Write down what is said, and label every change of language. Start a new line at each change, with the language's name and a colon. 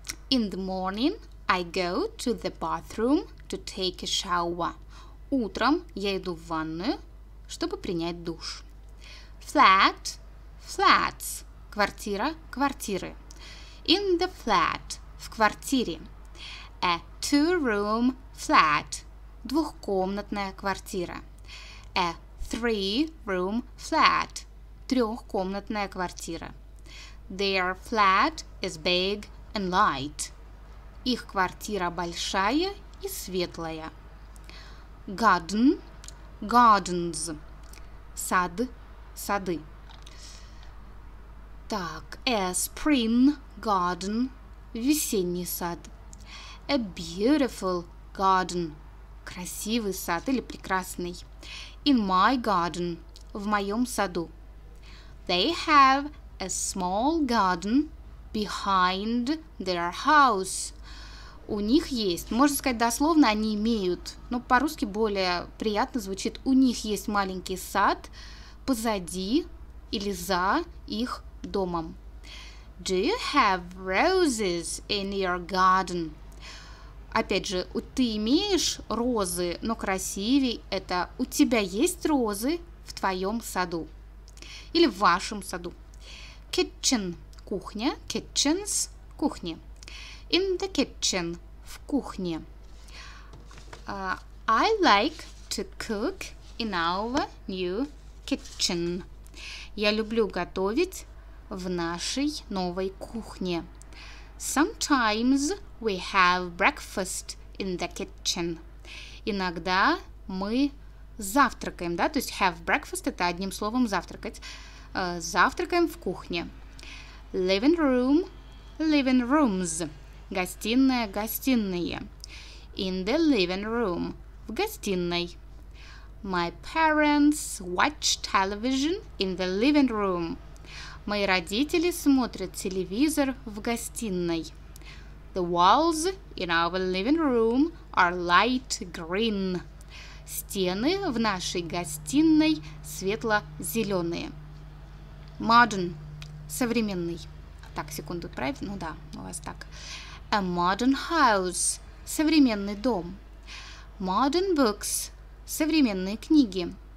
English: In the morning, I go to the bathroom to take a shower.
Russian: Утром я иду в ванную, чтобы принять душ.
English: Flat, flats,
Russian: квартира, квартиры.
English: In the flat,
Russian: в квартире.
English: A two-room flat.
Russian: Двухкомнатная квартира.
English: A three-room flat.
Russian: Трехкомнатная квартира.
English: Their flat is big and light.
Russian: Их квартира большая и светлая.
English: Garden. Gardens.
Russian: Сад. Сады. Так.
English: A spring garden.
Russian: Весенний сад.
English: A beautiful garden.
Russian: Красивый сад или прекрасный.
English: In my garden.
Russian: В моем саду.
English: They have a small garden behind their house.
Russian: У них есть. Можно сказать дословно, они имеют. Но по-русски более приятно звучит. У них есть маленький сад позади или за их домом.
English: Do you have roses in your garden?
Russian: Опять же, ты имеешь розы, но красивей это у тебя есть розы в твоем саду или в вашем саду.
English: Kitchen –
Russian: кухня,
English: kitchens –
Russian: кухни.
English: In the kitchen –
Russian: в кухне.
English: I like to cook in our new kitchen.
Russian: Я люблю готовить в нашей новой кухне.
English: Sometimes we have breakfast in the kitchen.
Russian: Иногда мы завтракаем, да? То есть
English: have breakfast
Russian: – это одним словом завтракать. Завтракаем в кухне.
English: Living room – living rooms.
Russian: Гостиная – гостиные.
English: In the living room –
Russian: в гостиной.
English: My parents watch television in the living room.
Russian: Мои родители смотрят телевизор в гостиной.
English: The walls in our living room are light green.
Russian: Стены в нашей гостиной светло-зеленые. Modern – современный. Так, секунду, правильно? Ну да, у вас так.
English: A modern house –
Russian: современный дом.
English: Modern books –
Russian: современные книги.